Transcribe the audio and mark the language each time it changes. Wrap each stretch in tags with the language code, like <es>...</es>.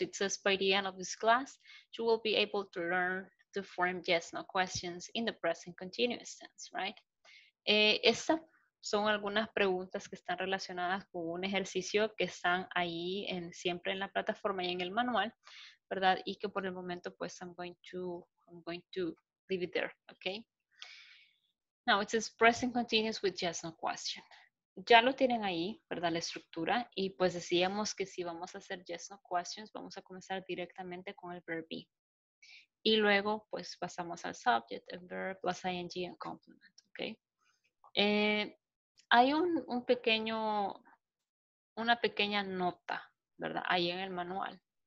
<en>It says by the end of this class, you will be able to learn to form yes, no questions in the present continuous tense, right?</en> <es>Estas son algunas preguntas que están relacionadas con un ejercicio que están ahí en, siempre en la plataforma y en el manual, ¿verdad? Y que por el momento, pues,</es> <en>I'm going to leave it there, okay? Now it says present continuous with yes, no question.</en> <es>Ya lo tienen ahí, ¿verdad? La estructura. Y pues decíamos que si vamos a hacer yes, no questions, vamos a comenzar directamente con el verb be. Y luego, pues, pasamos al subject, el verb, plus ing,</es> <en>and complement.</en> <es>¿Ok? Hay una pequeña nota, ¿verdad? Ahí en el manual.</es>